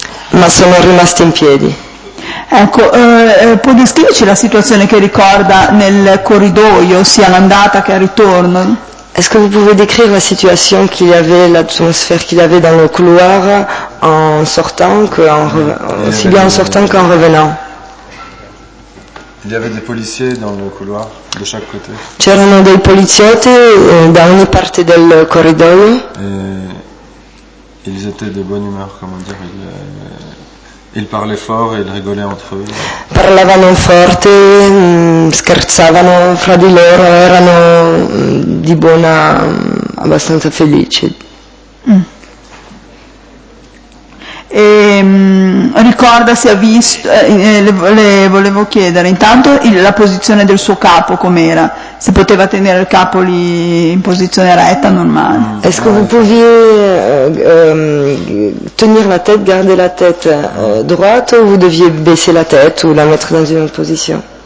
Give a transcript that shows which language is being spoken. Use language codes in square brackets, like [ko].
[it] Ma sono rimasto in piedi. Ecco, puoi descriverci la situazione che ricorda nel corridoio, sia l'andata che al ritorno? [fr] Est-ce que vous pouvez décrire la situation qu'il y avait, l'atmosphère qu'il y avait dans le couloir en sortant, aussi bien en sortant qu'en revenant? Il y avait des policiers dans le couloir, de chaque côté. [it] C'erano dei poliziotti da ogni parte del corridoio. [fr] Ils étaient de bonne humeur, comment dire. Ils parlaient fort et ils rigolaient entre eux. [it] Parlavano forte, scherzavano fra di loro, erano di buona, abbastanza felici. Mm. E, ricorda se ha visto, le volevo chiedere, intanto la posizione del suo capo com'era? Se poteva tenere il capo lì in posizione retta, normale. [fr] Est-ce que vous pouviez tenir la tête, garder la tête droite, ou vous deviez baisser la tête ou la mettre dans une autre position?